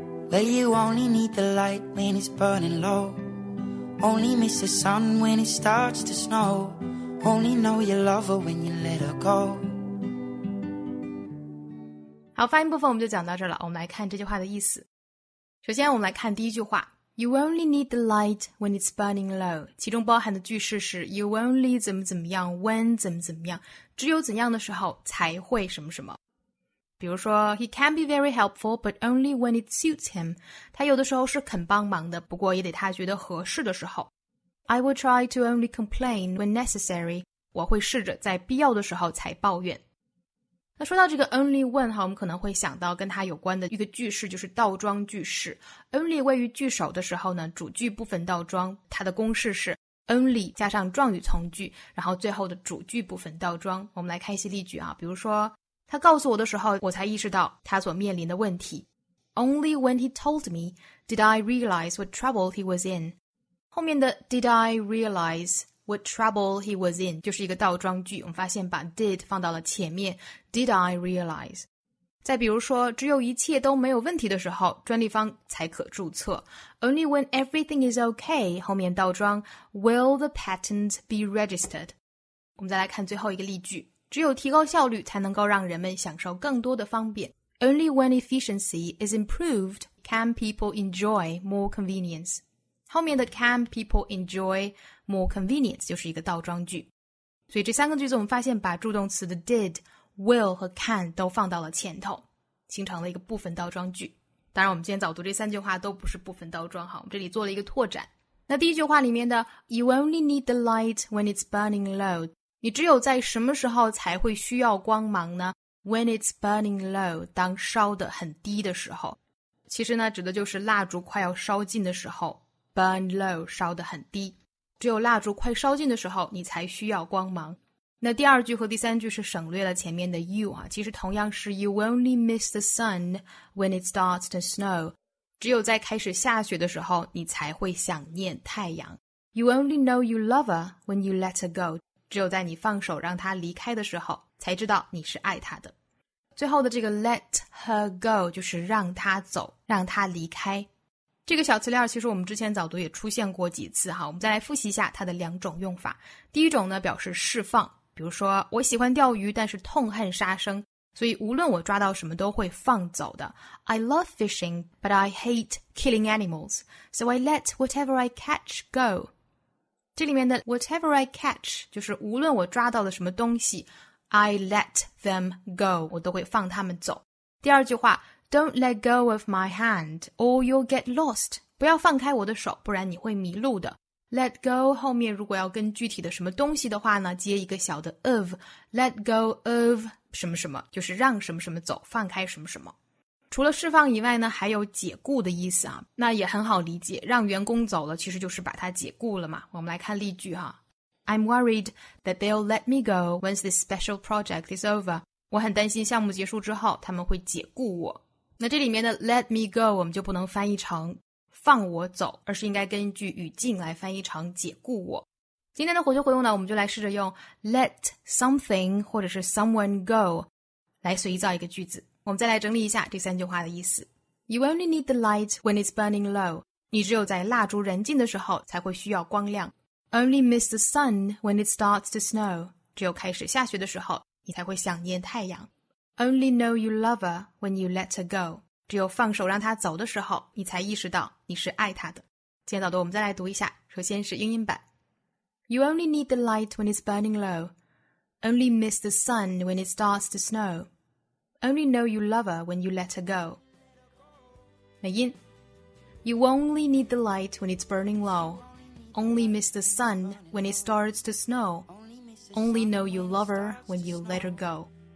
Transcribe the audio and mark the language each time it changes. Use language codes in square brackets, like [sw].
[en] Well, you only need the light when it's burning low. Only miss the sun when it starts to snow Only know you love her when you let her go [zh] 好发音部分我们就讲到这了我们来看这句话的意思首先我们来看第一句话 [en] You only need the light when it's burning low [zh] 其中包含的句式是 You only 怎么怎么样 When 怎么怎么样只有怎样的时候才会什么什么比如说 [en] He can be very helpful, but only when it suits him. [zh] 他有的时候是肯帮忙的不过也得他觉得合适的时候。 [en] I will try to only complain when necessary. [zh] 我会试着在必要的时候才抱怨。那说到这个 only when, 我们可能会想到跟他有关的一个句式就是倒装句式。 Only 位于句首的时候呢主句部分倒装它的公式是 only 加上状语从句然后最后的主句部分倒装。我们来看一些例句啊比如说他告诉我的时候我才意识到他所面临的问题。 [en] Only when he told me did I realize what trouble he was in. [zh] 后面的 [en] did I realize what trouble he was in [zh] 就是一个倒装句我们发现把 did 放到了前面 did I realize. 再比如说只有一切都没有问题的时候专利方才可注册。 [en] Only when everything is okay [zh] 后面倒装 [en] will the patent be registered. [zh] 我们再来看最后一个例句。只有提高效率才能够让人们享受更多的方便。 [en] Only when efficiency is improved can people enjoy more convenience. [zh] 后面的 [en] can people enjoy more convenience [zh] 就是一个倒装句。所以这三个句子我们发现把助动词的 did, will 和 can 都放到了前头，形成了一个部分倒装句。当然我们今天早读这三句话都不是部分倒装哈，我们这里做了一个拓展。那第一句话里面的 [en] You only need the light when it's burning low， [zh] 你只有在什么时候才会需要光芒呢？ [en] When it's burning low， [zh] 当烧得很低的时候，其实呢指的就是蜡烛快要烧尽的时候， burn low 烧得很低，只有蜡烛快烧尽的时候你才需要光芒。那第二句和第三句是省略了前面的 you 啊，其实同样是 [en] You only miss the sun when it starts to snow， [zh] 只有在开始下雪的时候你才会想念太阳。 [en] You only know you love her when you let her go， [zh] 只有在你放手让她离开的时候才知道你是爱她的。最后的这个 let her go 就是让她走，让她离开。这个小词链其实我们之前早读也出现过几次哈，我们再来复习一下它的两种用法。第一种呢表示释放，比如说我喜欢钓鱼但是痛恨杀生，所以无论我抓到什么都会放走的。 [en] I love fishing but I hate killing animals so I let whatever I catch go。 [zh] 这里面的 [en] whatever I catch [zh] 就是无论我抓到的什么东西， [en] I let them go， [zh] 我都会放他们走。第二句话 [en] Don't let go of my hand or you'll get lost， [zh] 不要放开我的手不然你会迷路的。 Let go 后面如果要跟具体的什么东西的话呢，接一个小的 of， Let go of 什么什么，就是让什么什么走，放开什么什么。除了释放以外呢还有解雇的意思啊，那也很好理解，让员工走了其实就是把他解雇了嘛。我们来看例句哈。 [en] I'm worried that they'll let me go once this special project is over， [zh] 我很担心项目结束之后他们会解雇我。那这里面的 let me go 我们就不能翻译成放我走，而是应该根据语境来翻译成解雇我。今天的活学活用呢，我们就来试着用 let something 或者是 someone go 来随意造一个句子。我们再来整理一下这三句话的意思。 [en] You only need the light when it's burning low， [zh] 你只有在蜡烛燃尽的时候才会需要光亮。 [en] Only miss the sun when it starts to snow， [zh] 只有开始下雪的时候你才会想念太阳。 [en] Only know you love her when you let her go， [zh] 只有放手让他走的时候你才意识到你是爱他的。今天早读我们再来读一下，首先是英音版。 [en] You only need the light when it's burning low， Only miss the sun when it starts to snow， Only know you love her when you let her go。 [zh] 美音。 [en] You only need the light when it's burning low， Only miss the sun when it starts to snow， Only know you love her when you let her go。